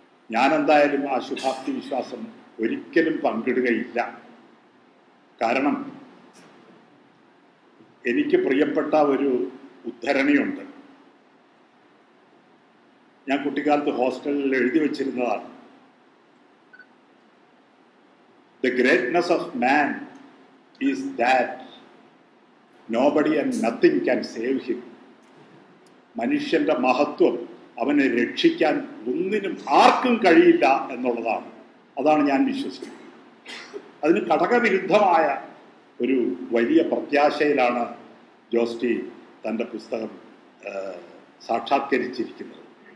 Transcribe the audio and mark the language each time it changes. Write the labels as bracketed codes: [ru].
[ml] ഞാനെന്തായാലും ആ ശുഭാപ്തി വിശ്വാസം ഒരിക്കലും പങ്കിടുകയില്ല. കാരണം എനിക്ക് പ്രിയപ്പെട്ട ഒരു ഉദ്ധരണിയുണ്ട്, ഞാൻ കുട്ടിക്കാലത്ത് ഹോസ്റ്റലിൽ എഴുതി വച്ചിരുന്നതാണ്. [en] The greatness of man is that nobody and nothing can save him. [ml] മനുഷ്യന്റെ മഹത്വം അവനെ രക്ഷിക്കാൻ ഒന്നിനും ആർക്കും കഴിയില്ല എന്നുള്ളതാണ്. അതാണ് ഞാൻ വിശ്വസിക്കുന്നത്. അതിന് ഘടകവിരുദ്ധമായ ഒരു വലിയ പ്രത്യാശയിലാണ് ജോസ്റ്റി തൻ്റെ പുസ്തകം സാക്ഷാത്കരിച്ചിരിക്കുന്നത്.